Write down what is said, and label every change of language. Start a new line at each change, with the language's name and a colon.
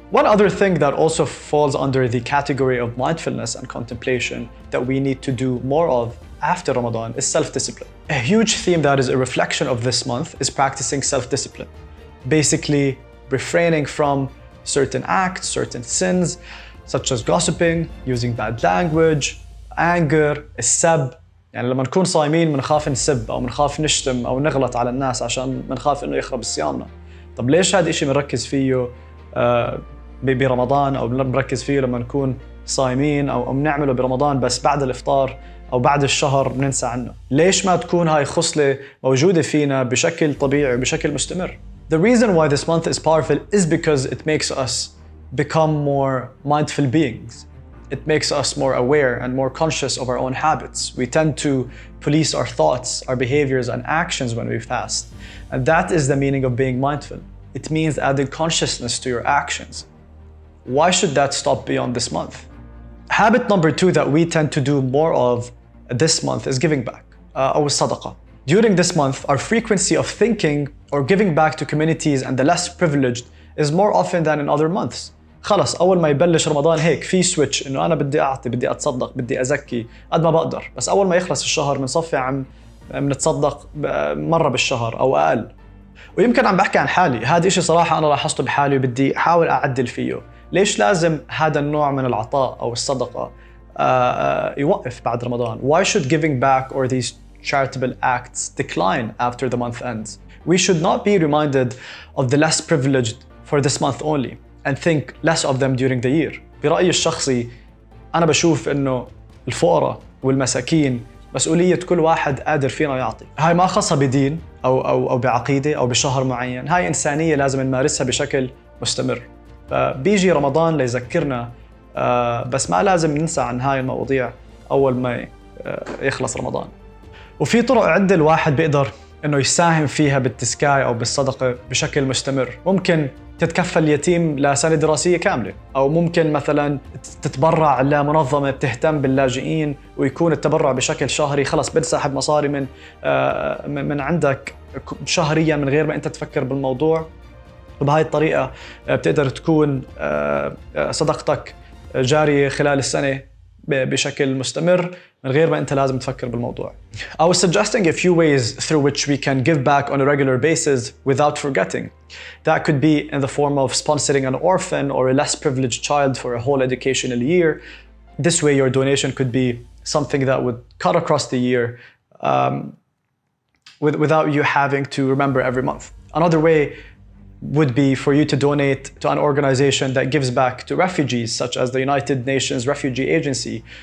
English: One other thing that also falls under the category of mindfulness and contemplation that we need to do more of after Ramadan is self-discipline. A huge theme that is a reflection of this month is practicing self-discipline. Basically, refraining from certain acts, certain sins, such as gossiping, using bad language, anger, السب.
Arabic: يعني لما نكون صايمين منخاف نسب أو منخاف نشتم أو نغلط على الناس عشان منخاف إنه يخرب صيامنا. طب ليش هذا إشي منركز فيه برمضان أو منركز فيه لما نكون صايمين أو منعمله برمضان بس بعد الإفطار أو بعد الشهر بننسى عنه؟ ليش ما تكون هاي خصلة موجودة فينا بشكل طبيعي وبشكل مستمر؟
English: The reason why this month is powerful is because it makes us become more mindful beings. It makes us more aware and more conscious of our own habits. We tend to police our thoughts, our behaviors, and actions when we fast. And that is the meaning of being mindful. It means adding consciousness to your actions. Why should that stop beyond this month? Habit number two that we tend to do more of this month is giving back. Sadaqah. During this month, our frequency of thinking or giving back to communities and the less privileged is more often than in other months.
Arabic: خلص أول ما يبلش رمضان هيك في سويتش إنه أنا بدي أعطي بدي أتصدق بدي أزكي قد ما بقدر بس أول ما يخلص الشهر بنصفي عم بنتصدق مرة بالشهر أو أقل ويمكن عم بحكي عن حالي هذا إشي صراحة أنا لاحظته بحالي وبدي أحاول أعدل فيه ليش لازم هذا النوع من العطاء أو الصدقة يوقف بعد رمضان
English: Why should giving back or these charitable acts decline after the month ends? We should not be reminded of the less privileged for this month only and think less of them during the year.
Arabic: برأيي الشخصي أنا بشوف إنه الفقراء والمساكين مسؤولية كل واحد قادر فينا يعطي. هاي ما خاصها بدين أو أو أو بعقيدة أو بشهر معين، هاي إنسانية لازم نمارسها بشكل مستمر. بيجي رمضان ليذكرنا بس ما لازم ننسى عن هاي المواضيع أول ما يخلص رمضان. وفي طرق عدة الواحد بيقدر إنه يساهم فيها بالتسكاي أو بالصدقة بشكل مستمر، ممكن تتكفل يتيم لسنة دراسية كاملة أو ممكن مثلاً تتبرع لمنظمة بتهتم باللاجئين ويكون التبرع بشكل شهري خلص بنسحب مصاري من عندك شهرياً من غير ما أنت تفكر بالموضوع وبهاي الطريقة بتقدر تكون صدقتك جارية خلال السنة بشكل مستمر من غير ما أنت لازم تفكر بالموضوع
English: I was suggesting a few ways through which we can give back on a regular basis without forgetting. That could be in the form of sponsoring an orphan or a less privileged child for a whole educational year. This way your donation could be something that would cut across the year without you having to remember every month. Another way would be for you to donate to an organization that gives back to refugees, such as the United Nations Refugee Agency.